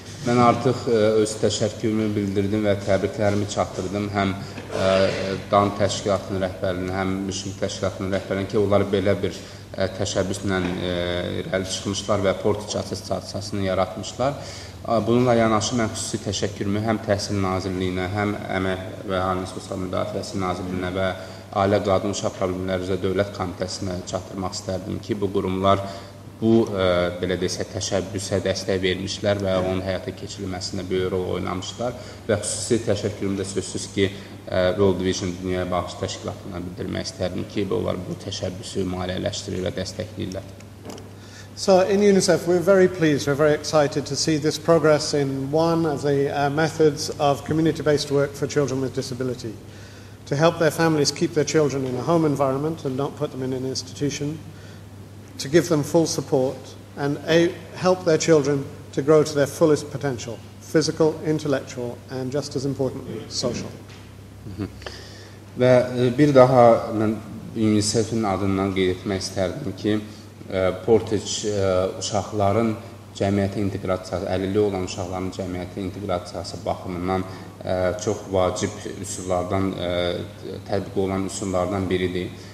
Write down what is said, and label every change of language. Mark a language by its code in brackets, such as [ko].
[az] Mən artıq öz təşəkkürümü bildirdim və təbriklərimi çatdırdım həm DAN təşkilatının rəhbərinin, həm MÜŞİM təşkilatının rəhbərinin ki, onlar belə bir təşəbbüslə irəli çıxmışlar və Portage Access çatışmasını yaratmışlar. Bununla yanaşı mən xüsusi təşəkkürümü həm Təhsil Nazirliyinə, həm Əmək və Əhalinin Sosial Müdafiəsi Nazirliyinə və Ailə Qadın Uşaq Problemləri üzrə Dövlət Komitəsinə çatdırmaq istərdim ki, bu qurumlar bu belə desə təşəbbüsə dəstək vermişlər və onun həyata keçirilməsində böyük rol oynamışlar və xüsusi təşəkkürümü də sözsüz ki World Vision Dünya Bağış Təşkilatına bildirmək istərdim ki onlar bu təşəbbüsü maliyyələşdirir və dəstəkləyirlər. [en] So in UNICEF we're very pleased, we're very excited to see this progress in one of the methods of community-based work for children with disability to help their families keep their children in a home environment and not put them in an institution, to give them full support and help their children to grow to their fullest potential, physical, intellectual and just as importantly, social. [az] Və bir daha mən UNICEF-in adından qeyd etmək istərdim ki, Portage uşaqların cəmiyyətə inteqrasiyası, əlilliyi olan uşaqların cəmiyyətə inteqrasiyası baxımından çox vacib üsullardan, tətbiq olan üsullardan biridir.